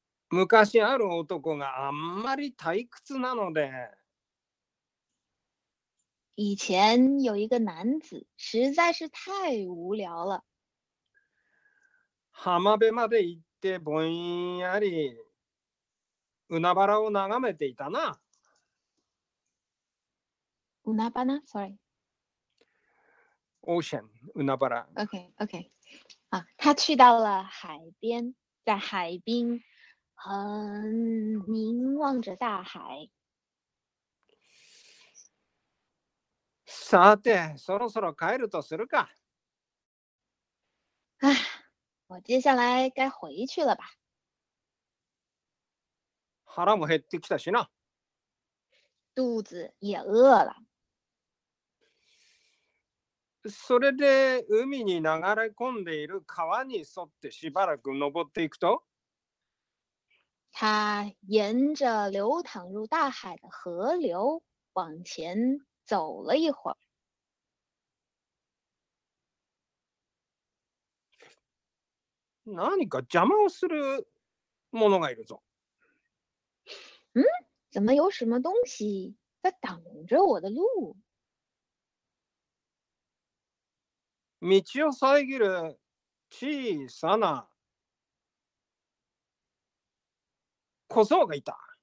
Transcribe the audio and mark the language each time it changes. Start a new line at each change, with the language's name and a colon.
Japanese: 昔ある男があんまり退屈なので。
Chinese: 以前有一个男子实在是太无聊了。
Japanese: 浜辺まで行って。でぼんやり海原を眺めていたな。海原？
English: Sorry. Ocean,
Japanese: 海原。
Chinese: Okay. 啊，他去到了海边，在海边很凝望着大海。
Japanese: さて、そろそろ帰るとするか。
Chinese: 唉。我接下来该回去了吧。
Japanese: 腹も減ってきたしな。
Chinese: 肚子也饿了。
Japanese: それで海に流れ込んでいる川に沿ってしばらく登っていくと。
Chinese: 他沿着流淌入大海的河流往前走了一会儿。
Japanese: 何か邪魔をするものがいるぞ。ん？
Chinese: 怎么有什么东西在挡着我的路？
Japanese: 道を遮る小さな小僧がいた。